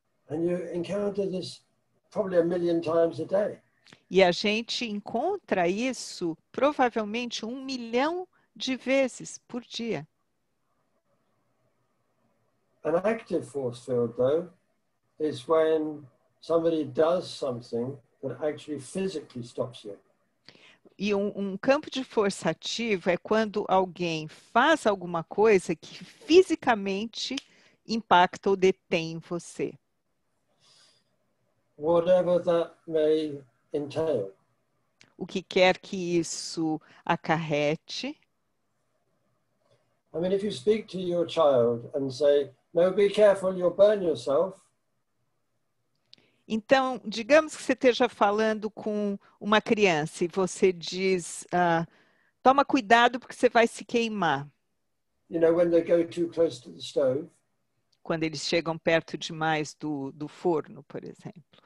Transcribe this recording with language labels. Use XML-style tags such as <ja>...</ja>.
<en>And you encounter this probably a million times a day.</en> <pt>E a gente encontra isso provavelmente 1 milhão de vezes por dia.</pt> <en>An active force field, though, is when somebody does something that actually physically stops you.</en> <pt>E um campo de força ativo é quando alguém faz alguma coisa que fisicamente impacta ou detém você.</pt> <en>Whatever that may entail.</en> <pt>O que quer que isso acarrete.</pt> <en>I mean, if you speak to your child and say, no, be careful, you'll burn yourself.</en> <pt>Então, digamos que você esteja falando com uma criança e você diz, toma cuidado porque você vai se queimar.</pt> <en>You know, when they go too close to the stove.</en> <pt>Quando eles chegam perto demais do forno, por exemplo.</pt>